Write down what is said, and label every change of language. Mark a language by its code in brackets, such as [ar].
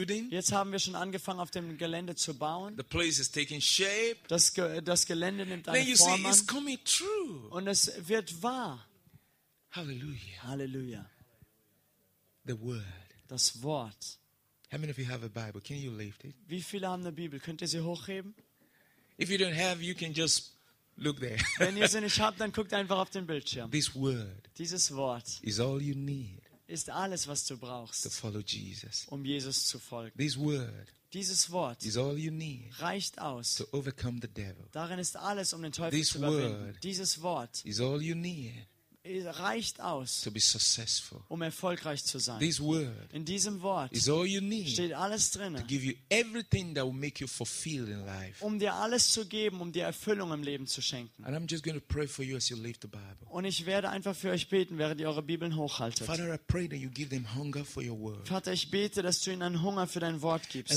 [de] Jetzt haben wir schon angefangen, auf dem Gelände zu bauen. [en] The place is taking shape. [de] Das Gelände nimmt [en] Then [de] eine [en] you [de] Form [en] see, [de] an. [en] It's coming true. [de] Und es wird wahr. Halleluja. Halleluja. [en] The word. [de] Das Wort. [en] How many of you have a Bible? Can you lift it? [de] Wie viele haben eine Bibel? Könnt ihr sie hochheben? [en] If you don't have, you can just look there. [de] Wenn ihr sie nicht habt, dann guckt einfach auf den Bildschirm. [en] This word. [de] Dieses Wort. [en] Is all you need. [de] Ist alles, was du brauchst. [en] To follow Jesus. [de] Um Jesus zu folgen. [en] This word. [de] Dieses Wort. [en] Is all you need. [de] Reicht aus. [en] To overcome the devil. [de] Darin ist alles, um den Teufel [en] This [de] zu überwinden. [en] Word. [de] Dieses Wort. [en] Is all you need. [de] Reicht aus, [en] to be successful. [de] Um erfolgreich zu sein. [en] This word [de] in diesem Wort [en] is all you need [de] steht alles drin, [en] to give you everything that will make you fulfilled in life. [de] Um dir alles zu geben, um dir Erfüllung im Leben zu schenken. [en] And I'm just going to pray for you as you leave the Bible. [de] Und ich werde einfach für euch beten, während ihr eure Bibeln hochhaltet. [en] Father, I pray that you give them hunger for your word. [de] Vater, ich bete, dass du ihnen einen Hunger für dein Wort gibst.